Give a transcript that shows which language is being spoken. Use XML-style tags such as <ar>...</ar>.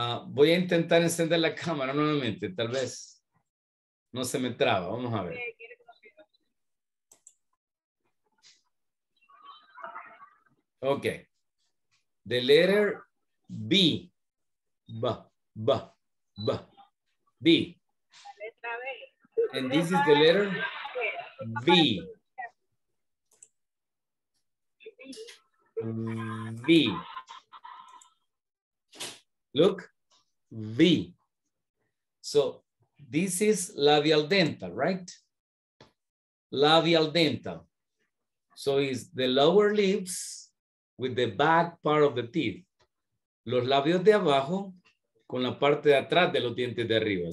<es>Voy a intentar encender la cámara nuevamente, tal vez no se me traba, vamos a ver.</es> <en>Okay, the letter B, B, B, B, B, and this is the letter V, V, look, V, so this is labial dental, right? Labial dental, so it's the lower lips, with the back part of the teeth.</en> <es>Los labios de abajo con la parte de atrás de los dientes de arriba.</es>